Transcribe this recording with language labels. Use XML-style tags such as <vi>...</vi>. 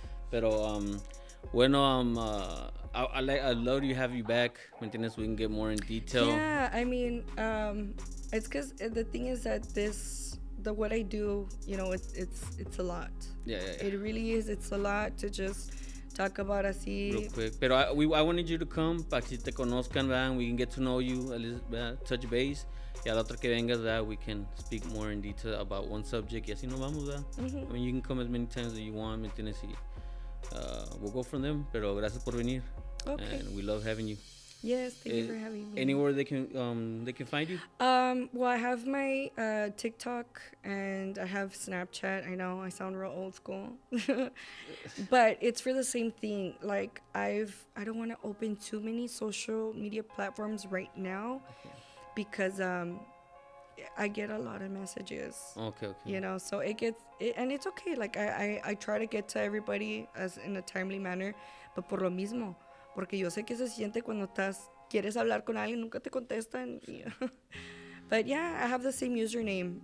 <es>Pero bueno,</es> <en>I love to have you back. Maintenance, we can get more in detail. Yeah, I mean, it's because the thing is that what I do, you know, it's a lot. Yeah. It really is. It's a lot to just talk about así. Real quick, pero I wanted you to come</en> <es>para que te conozcan, ¿verdad?</es> <en>We can get to know you, at least, touch base.</en> <es>Y al otro que vengas, ¿verdad?</es> <en>We can speak more in detail about one subject.</en> <es>Y así nos vamos, ¿verdad? Mm-hmm.</es> <en>I mean, you can come as many times as you want, maintenance. We'll go from them,</en> <es>pero gracias por venir.</es> <en>Okay. And we love having you. Yes, thank you for having me. Anywhere they can find you? Well, I have my TikTok and I have Snapchat. I know I sound real old school. But it's for the same thing. Like I don't want to open too many social media platforms right now. Okay. Because I get a lot of messages. Okay. You know, so and it's okay. Like I try to get to everybody as in a timely manner, but</en> <es>por lo mismo, porque yo sé que se siente cuando estás quieres hablar con alguien nunca te contestan.</es> <en>But yeah, I have the same username.</en>